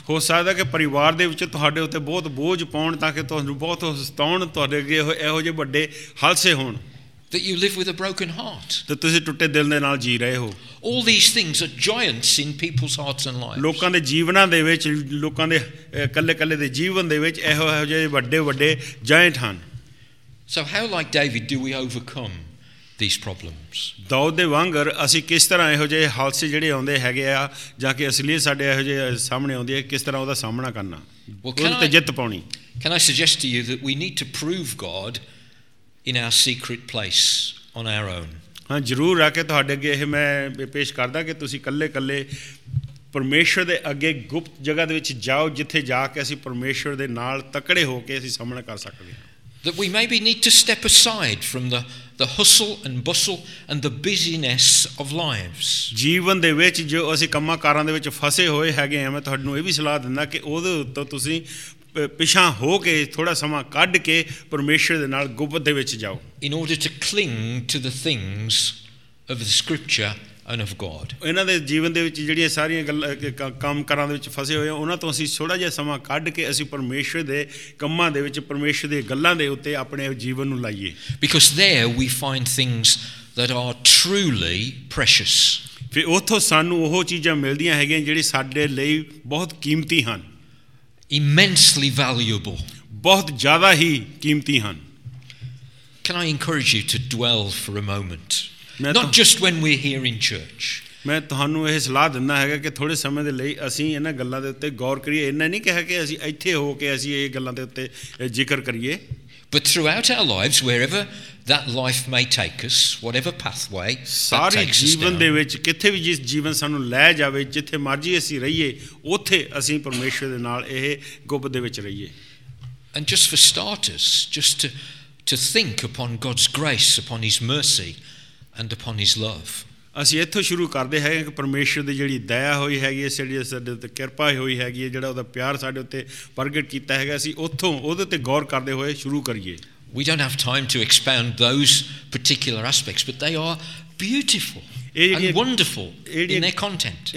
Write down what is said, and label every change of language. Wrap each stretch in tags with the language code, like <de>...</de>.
<pa>ਹੋ ਸਕਦਾ ਕਿ ਪਰਿਵਾਰ ਦੇ ਵਿੱਚ ਤੁਹਾਡੇ ਉੱਤੇ ਬਹੁਤ ਬੋਝ ਪਾਉਣ, ਤਾਂ ਕਿ ਤੁਹਾਨੂੰ ਬਹੁਤ ਸਤਾਉਣ, ਤੁਹਾਡੇ ਅੱਗੇ ਇਹੋ ਜਿਹੇ ਵੱਡੇ ਹਲਸੇ ਹੋਣ.</pa> <en>That you live with a broken heart.</en> <pa>ਤੇ ਤੁਸੀਂ ਟੁੱਟੇ ਦਿਲ ਦੇ ਨਾਲ ਜੀ ਰਹੇ ਹੋ.</pa> <en>All these things are giants in people's hearts and lives.</en> <pa>ਲੋਕਾਂ ਦੇ ਜੀਵਨਾਂ ਦੇ ਵਿੱਚ, ਲੋਕਾਂ ਦੇ ਇਕੱਲੇ ਇਕੱਲੇ ਦੇ ਜੀਵਨ ਦੇ ਵਿੱਚ ਇਹੋ ਇਹੋ ਜਿਹੇ ਵੱਡੇ ਵੱਡੇ ਜਾਇੰਟ ਹਨ.</pa> <en>So how like David do we overcome these problems?</en> <pa>Dawood ਦੇ ਵਾਂਗਰ ਅਸੀਂ ਕਿਸ ਤਰ੍ਹਾਂ ਇਹੋ ਜਿਹੇ ਹਾਲਸੇ ਜਿਹੜੇ ਆਉਂਦੇ ਹੈਗੇ ਆ, ਜਾਂ ਕਿ ਅਸਲੀਅਤ ਸਾਡੇ ਇਹੋ ਜਿਹੇ ਸਾਹਮਣੇ ਆਉਂਦੀ ਹੈ, ਕਿਸ ਤਰ੍ਹਾਂ ਉਹਦਾ ਸਾਹਮਣਾ ਕਰਨਾ, ਉਹਦੇ ਜਿੱਤ ਪਾਉਣੀ.</pa> <en>Can I suggest to you that we need to prove God in our secret place on our own?</en> <pa>ਹਾਂ, ਜ਼ਰੂਰ ਆ ਕੇ ਤੁਹਾਡੇ ਅੱਗੇ ਇਹ ਮੈਂ ਪੇਸ਼ ਕਰਦਾ ਕਿ ਤੁਸੀਂ ਇਕੱਲੇ ਇਕੱਲੇ ਪਰਮੇਸ਼ੁਰ ਦੇ ਅੱਗੇ ਗੁਪਤ ਜਗ੍ਹਾ ਦੇ ਵਿੱਚ ਜਾਓ, ਜਿੱਥੇ ਜਾ ਕੇ ਅਸੀਂ ਪਰਮੇਸ਼ੁਰ ਦੇ ਨਾਲ ਤਕੜੇ ਹੋ ਕੇ ਅਸੀਂ ਸਾਹਮਣਾ ਕਰ ਸਕਦੇ ਹਾਂ.</pa> <en>That we maybe need to step aside from the hustle and bustle and the busyness of lives.</en> <pa>ਜੀਵਨ ਦੇ ਵਿੱਚ ਜੋ ਅਸੀਂ ਕੰਮਾਂ ਕਾਰਾਂ ਦੇ ਵਿੱਚ ਫਸੇ ਹੋਏ ਹੈਗੇ ਹਾਂ, ਮੈਂ ਤੁਹਾਨੂੰ ਇਹ ਵੀ ਸਲਾਹ ਦਿੰਦਾ ਕਿ ਉਹਦੇ ਉੱਤੋਂ ਤੁਸੀਂ ਪਿਛਾਂ ਹੋ ਕੇ ਥੋੜ੍ਹਾ ਸਮਾਂ ਕੱਢ ਕੇ ਪਰਮੇਸ਼ੁਰ ਦੇ ਨਾਲ ਗੁਪਤ ਦੇ ਵਿੱਚ ਜਾਓ.</pa> <en>In order to cling to the things of the scripture and of God.</en> <pa>ਇਹਨਾਂ ਦੇ ਜੀਵਨ ਦੇ ਵਿੱਚ ਜਿਹੜੀਆਂ ਸਾਰੀਆਂ ਗੱਲਾਂ ਕੰਮ ਕਾਰਾਂ ਦੇ ਵਿੱਚ ਫਸੇ ਹੋਏ ਹਾਂ, ਉਹਨਾਂ ਤੋਂ ਅਸੀਂ ਥੋੜ੍ਹਾ ਜਿਹਾ ਸਮਾਂ ਕੱਢ ਕੇ ਅਸੀਂ ਪਰਮੇਸ਼ੁਰ ਦੇ ਕੰਮਾਂ ਦੇ ਵਿੱਚ, ਪਰਮੇਸ਼ੁਰ ਦੇ ਗੱਲਾਂ ਦੇ ਉੱਤੇ ਆਪਣੇ ਜੀਵਨ ਨੂੰ ਲਾਈਏ.</pa> <en>Because there we find things that are truly precious.</en> <pa>ਫਿਰ ਉੱਥੋਂ ਸਾਨੂੰ ਉਹ ਚੀਜ਼ਾਂ ਮਿਲਦੀਆਂ ਹੈਗੀਆਂ ਜਿਹੜੀਆਂ ਸਾਡੇ ਲਈ ਬਹੁਤ ਕੀਮਤੀ ਹਨ.</pa> <en>Immensely valuable.</en> <pa>ਬਹੁਤ ਜ਼ਿਆਦਾ ਹੀ ਕੀਮਤੀ ਹਨ.</pa> <en>Can I encourage you to dwell for a moment? Not just when we're here in church.</en> <pa>ਮੈਂ ਤੁਹਾਨੂੰ ਇਹ ਸਲਾਹ ਦਿੰਦਾ ਹੈਗਾ ਕਿ ਥੋੜ੍ਹੇ ਸਮੇਂ ਦੇ ਲਈ ਅਸੀਂ ਇਹਨਾਂ ਗੱਲਾਂ ਦੇ ਉੱਤੇ ਗੌਰ ਕਰੀਏ. ਇੰਨਾ ਨਹੀਂ ਕਿਹਾ ਕਿ ਅਸੀਂ ਇੱਥੇ ਹੋ ਕੇ ਅਸੀਂ ਇਹ ਗੱਲਾਂ ਦੇ ਉੱਤੇ ਜ਼ਿਕਰ ਕਰੀਏ.</pa> <en>But throughout our lives, wherever that life may take us, whatever pathway</en> <pa>ਸਾਰੇ ਜੀਵਨ ਦੇ ਵਿੱਚ, ਕਿੱਥੇ ਵੀ ਜਿਸ ਜੀਵਨ ਸਾਨੂੰ ਲੈ ਜਾਵੇ, ਜਿੱਥੇ ਮਰਜ਼ੀ ਅਸੀਂ ਰਹੀਏ, ਉੱਥੇ ਅਸੀਂ ਪਰਮੇਸ਼ੁਰ ਦੇ ਨਾਲ ਇਹ ਗੁਪ ਦੇ ਵਿੱਚ ਰਹੀਏ.</pa> <en>And just for starters, just to think upon God's grace, upon his mercy and upon his love.</en> <pa>ਅਸੀਂ ਇੱਥੋਂ ਸ਼ੁਰੂ ਕਰਦੇ ਹੈਗੇ ਕਿ ਪਰਮੇਸ਼ੁਰ ਦੀ ਜਿਹੜੀ ਦਇਆ ਹੋਈ ਹੈਗੀ ਹੈ, ਜਿਹੜੀ ਸਾਡੇ ਉੱਤੇ ਕਿਰਪਾ ਹੋਈ ਹੈਗੀ ਹੈ, ਜਿਹੜਾ ਉਹਦਾ ਪਿਆਰ ਸਾਡੇ ਉੱਤੇ ਪ੍ਰਗਟ ਕੀਤਾ ਹੈਗਾ, ਅਸੀਂ ਉੱਥੋਂ ਉਹਦੇ 'ਤੇ ਗੌਰ ਕਰਦੇ ਹੋਏ ਸ਼ੁਰੂ ਕਰੀਏ.</pa> <en>We don't have time to expound those particular aspects, but they are beautiful and wonderful in their content.</en>